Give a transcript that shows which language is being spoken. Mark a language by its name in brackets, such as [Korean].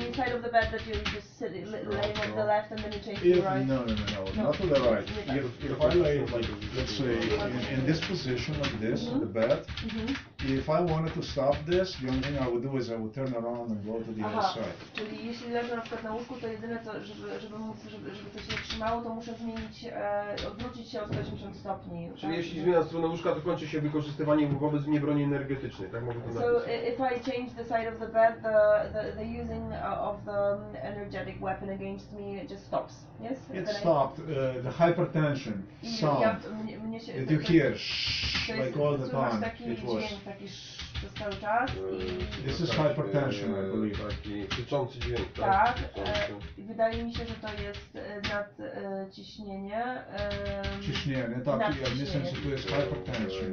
[English] you side of the bed that you just sit laying on the left and then you change to the right? No, not to the right. If I lay, like, let's say, in this position like this, mm-hmm. the bed, mm-hmm. if I wanted to stop this, the only thing I would do is I would turn around and go to the other side. [Polish] Czyli jeśli leżę na przykład na łóżku, to jedyne, co, żeby to się trzymało, to muszę zmienić, odwrócić się o 180 stopni. Czyli tak? Jeśli zmieniam stronę łóżka, to kończy się wykorzystywanie wobec mnie broni energetycznej, tak mogę to napisać. [English] So if I change the side of the bed, the using of the energetic weapon against me, it just stops, yes? It stopped. The hypertension sound that you hear, like all the time, it was. This is hypertension, I believe. [Polish] Tak, wydaje mi się, że to jest nadciśnienie. Ciśnienie, tak. Ja myślę, że to jest hypertension.